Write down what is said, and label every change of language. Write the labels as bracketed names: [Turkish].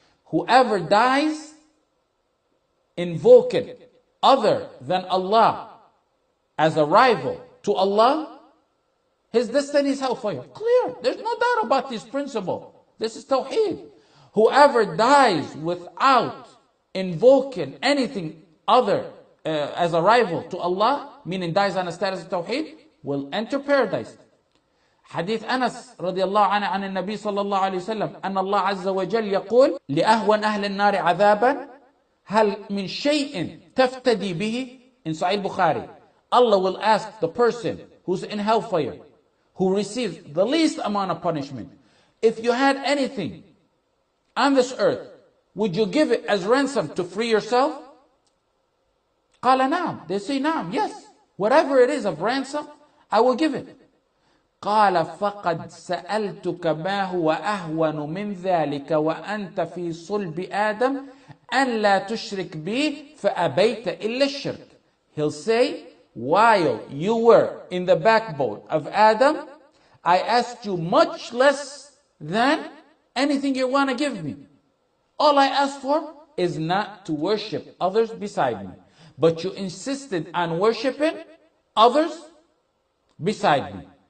[English] Whoever dies invoking other than Allah as a rival to Allah, his destiny is hellfire. Clear. There's no doubt about this principle. This is tawheed. Whoever dies without invoking anything other as a rival to Allah, meaning dies on a status of tawheed, will enter paradise. [Arabic] حديث أنس رضي الله عنه عن النبي صلى الله عليه وسلم أن الله عز وجل يقول لأهون أهل النار عذابا هل من شيء تفتدي به. [English] In Sahih Bukhari, Allah will ask the person who's in hellfire, who receives the least amount of punishment, if you had anything on this earth, would you give it as ransom to free yourself? [Arabic] قال نعم. [English] They say نعم. Yes. Whatever it is of ransom, I will give it. [Arabic] قال فقد سألتك ما هو أهون من ذلك وأنت في صلب آدم أن لا تشرك به فأبيت إلا الشرك. [English] He'll say, while you were in the backbone of Adam, I asked you much less than anything you want to give me. All I asked for is not to worship others beside me. But you insisted on worshiping others beside me.